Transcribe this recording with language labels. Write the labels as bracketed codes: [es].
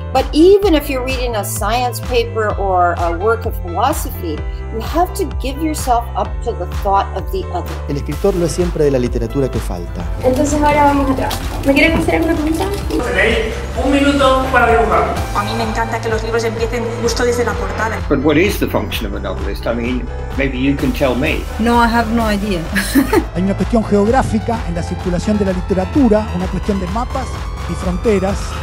[en] But even if you're reading a science paper or a work of philosophy, you have to give yourself up to the thought of the other. [es] El escritor lo es siempre de la literatura que falta. Entonces ahora vamos atrás. ¿Me quieren hacer alguna pregunta? Tenéis un minuto para dibujar. A mí me encanta que los libros empiecen justo desde la portada. [en] But what is the function of a novelist? I mean, maybe you can tell me. No, I have no idea. [es] Hay una cuestión geográfica en la circulación de la literatura, una cuestión de mapas y fronteras.